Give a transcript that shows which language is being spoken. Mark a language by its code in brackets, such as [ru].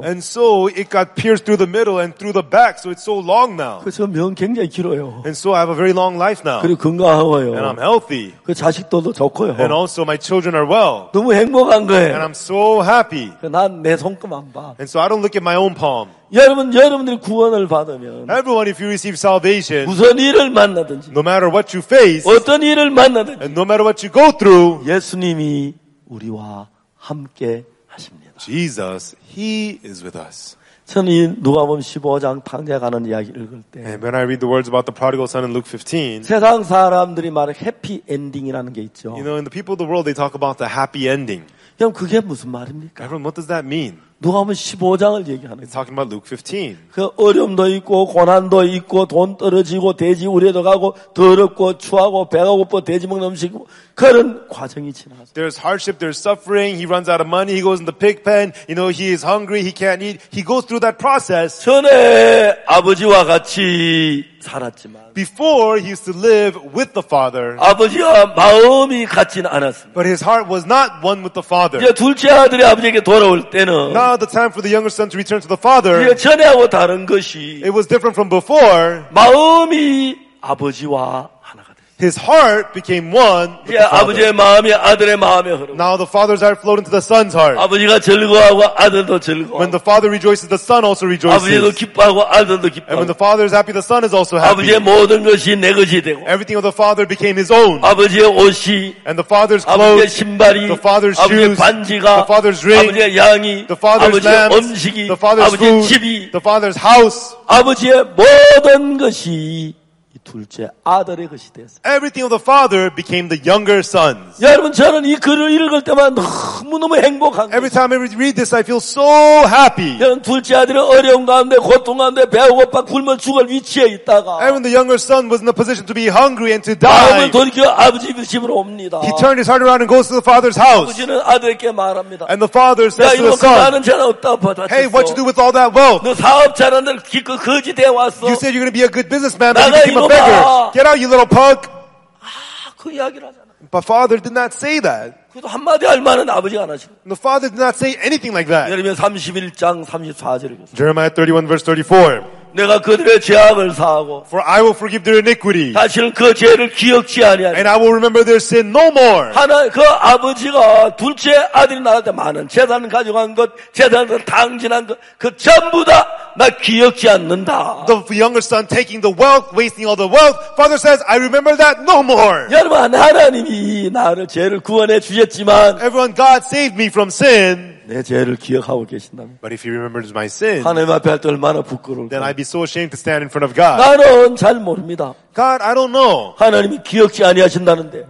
[en] And so it got pierced through the middle and through the back, so it's so long now. [ko] 그래서 명 굉장히 길어요. [en] And so I have a very long life now. [ko] 그리고 건강하고요. [en] And I'm healthy. [ko] 그 자식들도 좋고요. [en] And also my children are well. [ko] 너무 행복한 거예요. [en] And I'm so happy. [ko] 난 내 손금 안 봐. [en] And so I don't look at my own palm. [ko] 여러분들이 구원을 받으면 [en] Everyone, if you receive salvation, [ko] 무슨 일을 만나든지, [en] no matter what you face, [ko] 어떤 일을 만나든지, [en] and no matter what you go through, [ko] 예수님이 우리와 함께 하십니다. [en] Jesus, He is with us. [ko] 저는 이 누가복음 15장 탕자 가는 이야기 읽을 때, [en] And when I read the words about the prodigal son in Luke 15, [ko] 세상 사람들이 말하는 해피 엔딩이라는 게 있죠. [en] You know, in the people of the world, they talk about the happy ending. [ko] 그럼 그게 무슨 말입니까? [en] Everyone, what does that mean? [ko] 누가복음 15장을 얘기하는 거예요. [en] Talking about Luke 15. [ko] 그 어려움도 있고 고난도 있고 돈 떨어지고 돼지 우려도 가고 더럽고 추하고 배가 고파 돼지 먹는 음식 그런 과정이 지나서. [en] There's hardship, there's suffering. He runs out of money. He goes in the pig pen. You know, he is hungry. He can't eat. He goes through that process. [ko] 전에 아버지와 같이 살았지만. [en] Before he used to live with the father. [ko] 아버지와 마음이 같진 않았습니다. [en] But his heart was not one with the father. [ko] 이제 둘째 아들이 아버지에게 돌아올 때는. [en] Now the time for the younger son to return to the father. [ko] 이제 전에하고 다른 것이. [en] It was different from before. [ko] 마음이 아버지와 하나가 됐어. [en] His heart became one. [ko] 이제 아버지의 마음이 아들의 마음에 흐르고. [en] Now the father's heart flowed into the son's heart. [ko] 아버지가 즐거워하고 아들도 즐거워. [en] When the father rejoices, the son also rejoices. [ko] 아버지도 기뻐하고 아들도 기뻐. [en] And when the father is happy, the son is also happy. [ko] 아버지의 모든 것이 내 것이 되고. [en] Everything of the father became his own. [ko] 아버지의 옷이. [en] And the father's clothes. [ko] 아버지의 신발이. [en] The father's shoes. [ko] 아버지의 반지가. [en] The father's ring. [ko] 아버지의 양이. [en] The father's lambs. [ko] 아버지의 음식이. [en] The father's food. [ko] 아버지의 집이. [en] The father's house. [ko] 아버지의 모든 것이. 둘째 아들의 것이 되었어요. [en] Everything of the father became the younger son's. [ko] 여러분 저는 이 글을 읽을 때만 너무 행복한. [en] Every time I read this, I feel so happy. [ko] 여러분 둘째 아들의 어려운 가운데 고통 가운데 배고파 굶어 죽을 위치에 있다가. [en] Even the younger son was in the position to be hungry and to die. [ko] 마음을 돌이켜 아버지 집으로 옵니다. [en] He turned his heart around and goes to the father's house. [ko] 아버지는 아들에게 말합니다. [en] And the father says to the son. [ko] 야 이거 나는 전혀 없다 받았어. [en] Hey, what you do with all that wealth? [ko] 너 사업 잘하는 기껏 거지 돼 왔어. [en] You said you're going to be a good businessman, but you became a beggar. Get out, you little punk. [ko] 아, 그 이야기를 하잖아. [en] But father did not say that. [ko] 그도 한마디 할 말은 아버지가 안 하시네. [en] The father did not say anything like that. [ko] 예레미야 31장 34절을 보세요. [en] Jeremiah 31 verse 34. [ko] 내가 그들의 죄악을 사하고. [en] For I will forgive their iniquity. [ko] 다시는 그 죄를 기억지 아니하리. [en] And I will remember their sin no more. [ko] 하나 그 아버지가 둘째 아들이 낳을 때 많은 재산 가져간 것, 재산 그 당진한 것, 그 전부 다 나 기억지 않는다. [en] The younger son taking the wealth, wasting all the wealth. Father says, I remember that no more. [ko] 여러분 하나님이 나를 죄를 구원해 주셨지만. [en] Everyone, God saved me from sin. [ko] 내 죄를 기억하고 계신다면. [en] But if he remembers my sin, [ko] 하나님 앞에 할 때 얼마나 부끄러울까. [en] Then I'd be so ashamed to stand in front of God. [ko] 나는 잘 모릅니다. [en] God, I don't know. [ko] 하나님이 기억지 아니하신다는데.